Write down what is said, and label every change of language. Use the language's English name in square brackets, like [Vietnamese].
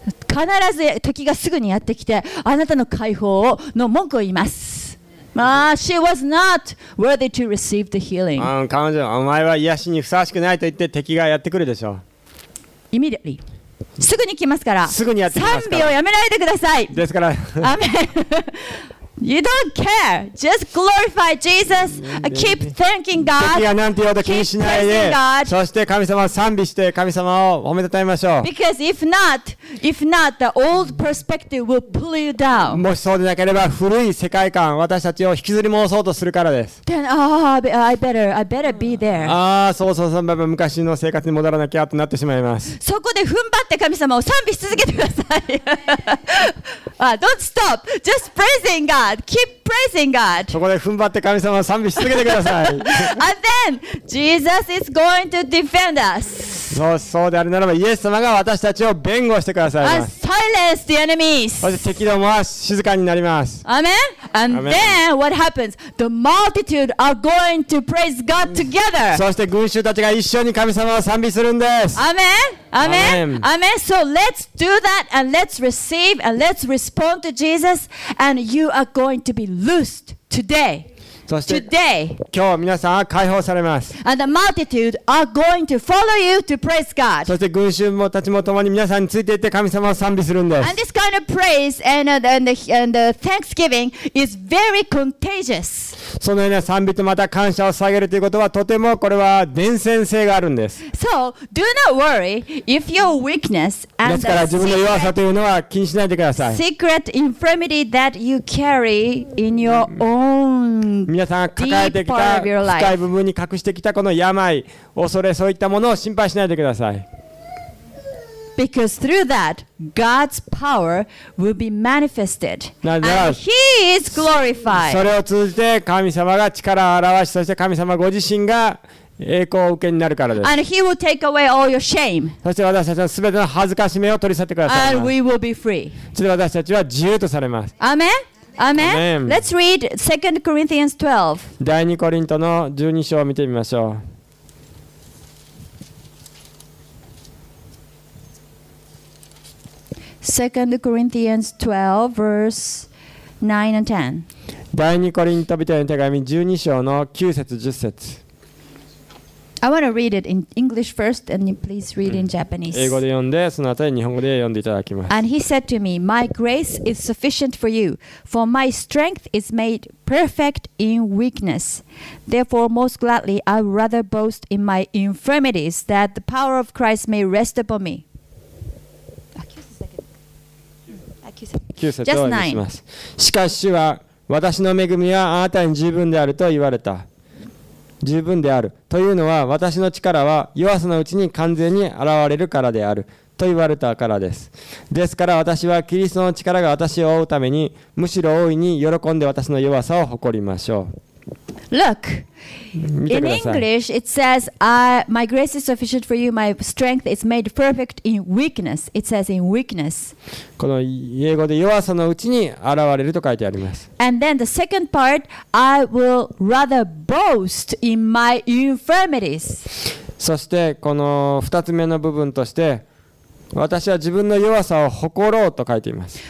[Japanese] 必ず時がすぐにやってきて、あなたの解放をの文句を言います。 [English] She was not worthy to receive the healing. [Japanese] 彼女、お前は癒しにふさわしくないと言って敵がやってくるでしょう。 [English] Immediately. [Japanese] すぐに来ますから、すぐにやってきますから、賛美をやめないでください。ですから、 [English] アメン。You don't care. Just glorify Jesus. Keep thanking God. [Japanese] 敵が何て言おうと気にしないで、そして神様を賛美して神様を褒めたたえましょう。 [English] Because if not, the old perspective will pull you down. [Japanese] もしそうでなければ古い世界観、私たちを引きずり戻そうとするからです。 [English] Then, I better be there. [Japanese] そう、昔の生活に戻らなきゃとなってしまいます。そこで踏ん張って神様を賛美し続けてください。 [English] don't stop. Just praising God. Keep praising God. [Japanese] そこで踏ん張って神様を賛美し続けてください。 [English] And then Jesus is going to defend us. [Japanese] そうであるならば、イエス様が私たちを弁護してくださいます。 [English] And silence the enemies. [Japanese] そして敵どもは静かになります。 [English] Amen. And then what happens? The multitude are going to praise God together. [Japanese] そして群衆たちが一緒に神様を賛美するんです。 [English] Amen. Amen. Amen. So let's do that and let's receive and let's respond to Jesus and you are going to be loosed today. [Japanese] そして、 [English] today. [Japanese] 今日皆さんは解放されます。 [English] And the multitude are going to follow you to praise God. [Japanese] そして群衆たちも共に皆さんについていって神様を賛美するんです。 [English] And this kind of praise and the thanksgiving is very contagious. [Japanese] そのような賛美とまた感謝を捧げるということはとてもこれは伝染性があるんです。 [English] So, do not worry if your weakness and the secret, [Japanese] ですから自分の弱さというのは気にしないでください。 [English] secret infirmity that you carry in your own [Japanese] 皆さんが抱えてきた深い部分に隠してきたこの病、恐れ、そういったものを心配しないでください。 [English] Because through that, God's power will be manifested. And He is glorified. [Japanese] それを通じて神様が力を表し、そして神様ご自身が栄光を受けになるからです。 [English] And He will take away all your shame. [Japanese] そして私たちのすべての恥ずかしめを取り去ってください。 [English] And we will be free. [Japanese] それで私たちは自由とされます。 [English] Amen? Amen. Amen. Let's read 2 Corinthians 12. [Japanese] 第二コリントの十二章を見てみましょう。 [English] 2 Corinthians 12, verse 9 and 10. [Japanese] 第二コリント人への手紙十二章の九節十節。 [English] I want to read it in English first, and please read in Japanese. [Japanese] 英語で読んで、その後に日本語で読んでいただきます。 [English] And he said to me, "My grace is sufficient for you, for my strength is made perfect in weakness. Therefore, most gladly, I would rather boast in my infirmities, that the power of Christ may rest upon me." [Japanese] 9節を読みします。しかし主は、私の恵みはあなたに十分であると言われた。十分であるというのは私の力は弱さのうちに完全に現れるからであると言われたからです。ですから私はキリストの力が私を覆うためにむしろ大いに喜んで私の弱さを誇りましょう。 [English] Look in English it says、my grace is sufficient for you my strength is made perfect in weakness it says in weakness [Japanese] この英語で弱さのうちに現れると書いてあります。 [English] And then the second part I will rather boast in my infirmities [Japanese] そしてこの二つ目の部分として私は自分の弱さを誇ろうと書いています。